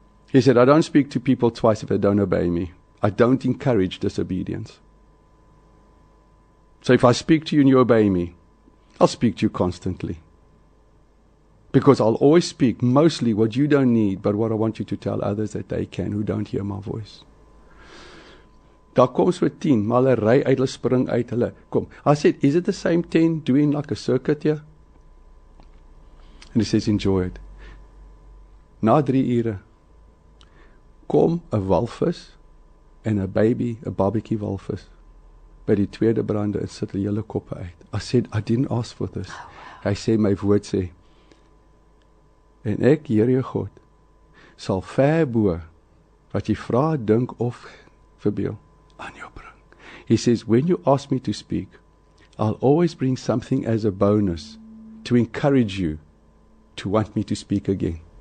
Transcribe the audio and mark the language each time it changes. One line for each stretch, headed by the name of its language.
English: He said, I don't speak to people twice if they don't obey me. I don't encourage disobedience. So if I speak to you and you obey me, I'll speak to you constantly. Because I'll always speak mostly what you don't need, but what I want you to tell others that they can who don't hear my voice.
Afrikaans: Daar kom so 10, maar hulle ry uit, hulle spring uit, hulle kom.
English: I said, is it the same 10 doing like a circuit here? And he says, enjoy it.
Afrikaans: Na 3 ure, kom 'n walvis en 'n baby, 'n barbecue walvis, by die tweede brande en sit hulle hele koppe uit.
English: I said, I didn't ask for this.
Afrikaans: Hy sê, my woord sê, en ek, Heer jou God, sal ver bo wat jy vra, dink of verbeel aan jou bring.
English: He says, when you ask me to speak, I'll always bring something as a bonus to encourage you to want me to speak again.